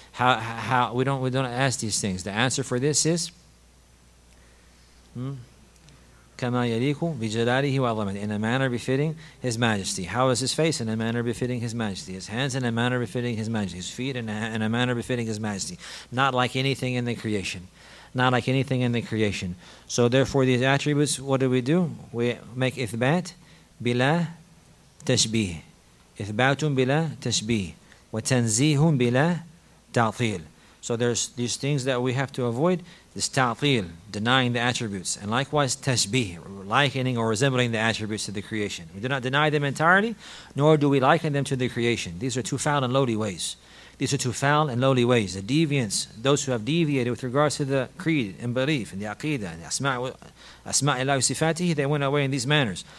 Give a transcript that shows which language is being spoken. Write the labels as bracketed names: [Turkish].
[English] We don't ask these things. The answer for this is [Arabic] كَمَا يَلِيكُ بِجَلَالِهِ وَعَظَمَتِهِ, [English] in a manner befitting His majesty. How is His face? In a manner befitting His majesty. His hands in a manner befitting His majesty. His feet in a manner befitting His majesty. Not like anything in the creation. Not like anything in the creation. So therefore these attributes, what do? We make [Arabic] إثبات بلا تشبيه. إثباتٌ بلا تشبيه. وَتَنْزِيهٌ بلا تَعْطِيل. [English] So there's these things that we have to avoid. This ta'til, denying the attributes. And likewise, tashbih, likening or resembling the attributes to the creation. We do not deny them entirely, nor do we liken them to the creation. These are two foul and lowly ways. The deviants, those who have deviated with regards to the creed and belief and the aqidah and the asma'illahi sifatihi, they went away in these manners.